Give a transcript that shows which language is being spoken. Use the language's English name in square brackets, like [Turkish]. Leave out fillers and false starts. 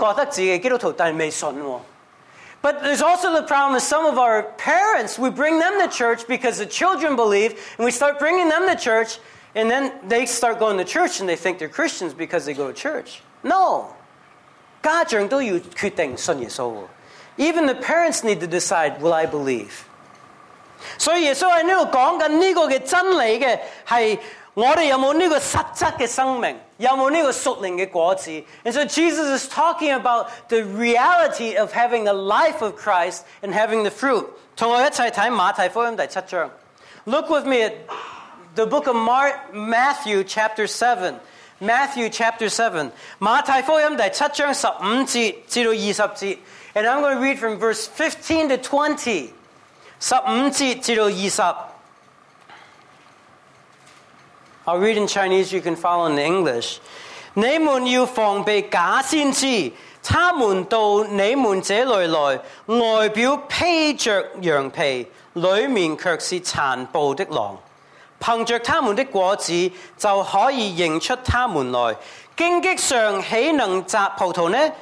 [Chinese] 但我都告訴你，有很多的家長，因為子女信了耶穌，回教會，開始帶爸爸媽媽回教會，跟著媽媽爸爸回教會一段時間，都覺得自己基督徒，但是沒信。 [English] But there's also the problem with some of our parents. We bring them to church because the children believe, and we start bringing them to church, and then they start going to church, and they think they're Christians because they go to church. No! [Chinese] 家長都要決定信耶穌。 [English] Even the parents need to decide, will I believe? [Chinese] 所以耶稣在这里讲的这个真理的是我们有没有这个实质的生命，有没有这个属灵的果子。 [English] And so Jesus is talking about the reality of having the life of Christ and having the fruit. [Chinese] 跟我一起看马太福音第七章。 [English] Look with me at the book of Matthew chapter 7. Matthew chapter 7. [Chinese] 马太福音第七章15节至20节。 [English] And I'm going to read from verse 15 to 20. [Chinese] 15节至20. [English] I'll read in Chinese, you can follow in English. [Chinese] 你们要防备假先知，他们到你们这里来，外表披着羊皮，里面却是残暴的狼。凭着他们的果子，就可以认出他们来。荆棘上岂能摘葡萄呢？